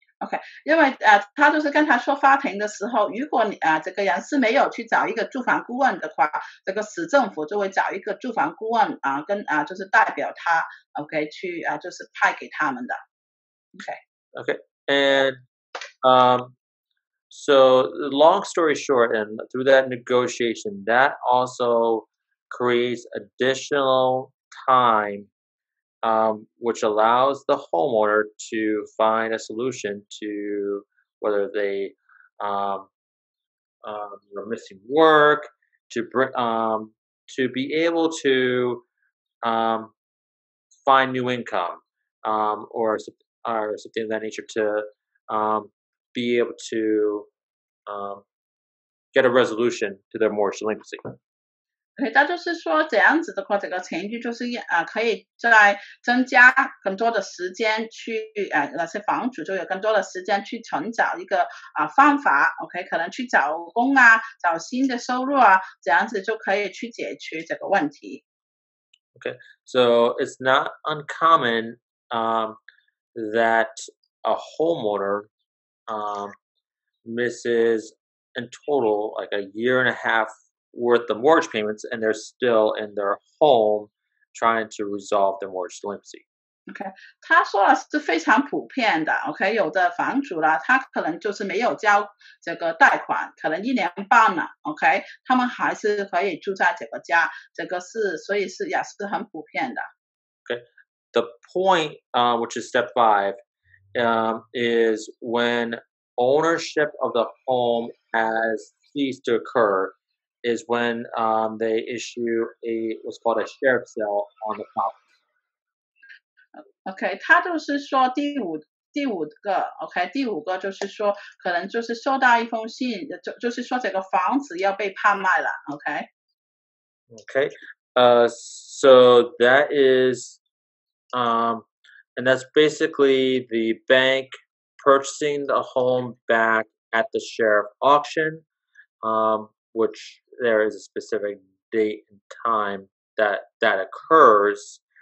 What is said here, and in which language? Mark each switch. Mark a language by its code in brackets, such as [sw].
[zh] OK， 因为他就是刚才说法庭的时候，如果这个人是没有去找一个住房顾问的话，这个市政府就会找一个住房顾问跟就是代表他 ，OK， 去就是派给他们的。OK。 [en] OK， and so long story short, and through that negotiation, that also creates additional time. Which allows the homeowner to find a solution to whether they are missing work, to be able to find new income or something of that nature to be able to get a resolution to their mortgage delinquency. [zh] Okay, 那就是说这样子的话，这个程序就是可以再增加更多的时间去那些房主就有更多的时间去寻找一个方法，OK，可能去找工啊，找新的收入啊，这样子就可以去解决这个问题。OK, [en] so it's not uncommon that a homeowner misses in total like a year and a half worth the mortgage payments, and they're still in their home trying to resolve their mortgage delinquency. [zh] Okay, 他说了是非常普遍的，OK，有的房主啦，他可能就是没有交这个贷款，可能一年半了，OK，他们还是可以住在这个家，这个是，所以是也是很普遍的。OK, [en] the point, which is step five, is when ownership of the home has needs to occur is when they issue a what's called a share sale on the property. [zh] Okay, 他就是说第五个 ，OK， 第五个就是说，可能就是收到一封信，就是说这个房子要被拍卖了 ，OK。 [en] Okay, so that is, and that's basically the bank purchasing the home back at the sheriff auction, which there is a specific date and time that occurs,